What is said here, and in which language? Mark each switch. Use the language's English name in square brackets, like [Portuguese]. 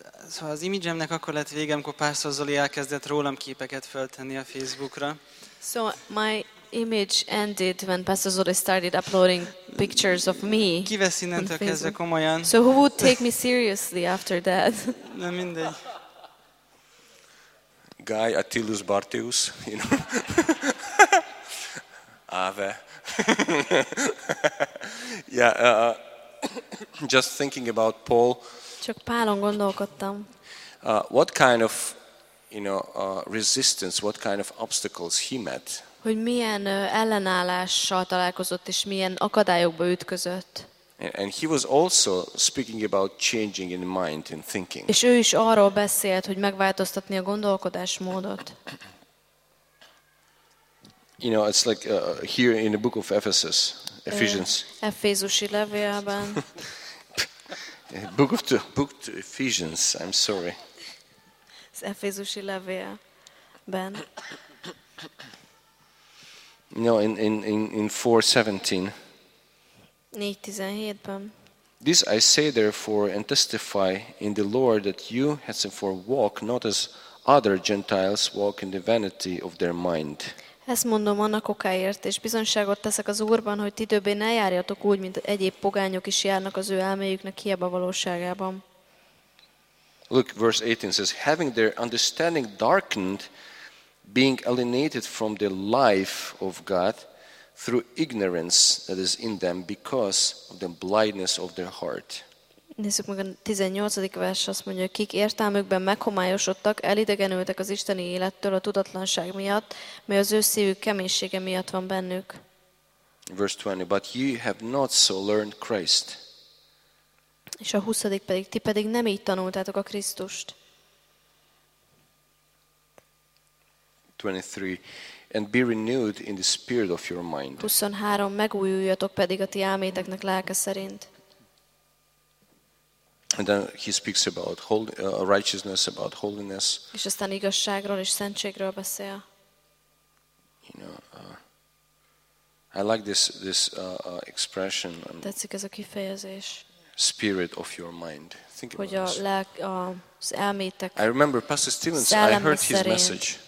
[Hungarian] Szóval az imidzsemnek akkor lett vége, amikor Pásztor Zoli elkezdett rólam képeket föltenni a Facebookra. [English] So my image ended when Pastor Zoli started uploading pictures of me. [Hungarian] Ki vesz innentől kezdve komolyan? [English] So who would take me seriously after that? [Hungarian] Nem mindegy. [English] Guy Attilus Bartius, you know. [Latin] Ave. [English] Yeah, just thinking about Paul. [Hungarian] Csak Pálon gondolkodtam. [English] What kind of, you know, resistance, what kind of obstacles he met? [Hungarian] Hogy milyen ellenállással találkozott és milyen akadályokba ütközött. [English] And he was also speaking about changing in mind and thinking. [Hungarian] És ő is arról beszélt, hogy megváltoztatni a gondolkodásmódot. [English] You know, it's like here in the book of Ephesus, Ephesians. [Hungarian] Efézusi levélben. [English] Book to Ephesians, I'm sorry. [Hungarian] Az Efézusi levélben. [English] No, in 4:17. [Hungarian] 4:17. [English] This I say therefore and testify in the Lord that you henceforth walk not as other Gentiles walk in the vanity of their mind. [Hungarian] Ezt mondom annak okáért, és bizonyságot teszek az Úrban, hogy ti többé ne járjatok úgy, mint egyéb pogányok is járnak az ő elméjüknek hiába valóságában. [English] Look, verse 18 says, having their understanding darkened, being alienated from the life of God, through ignorance that is in them because of the blindness of their heart. [Hungarian] Nézzük meg a 18. vers, azt mondja, kik értelmükben meghomályosodtak, elidegenültek az isteni élettől a tudatlanság miatt, mely az ő szívük keménysége miatt van bennük. [English] Verse 20, but you have not so learned Christ. [Hungarian] És a 20. pedig, ti pedig nem így tanultátok a Krisztust. [English] 23, and be renewed in the spirit of your mind. [Hungarian] 23, megújuljatok pedig a ti elméteknek lelke szerint. [English] And then he speaks about holy, righteousness, about holiness. [Hungarian] És aztán igazságról és szentségről beszél. [English] You know, I like this expression. [Hungarian] Tetszik ez a kifejezés. [English] Spirit of your mind. Think [Hungarian] hogy [English] about [Hungarian] a lelk, az elmétek. [English] I remember Pastor Stevens. I heard his message.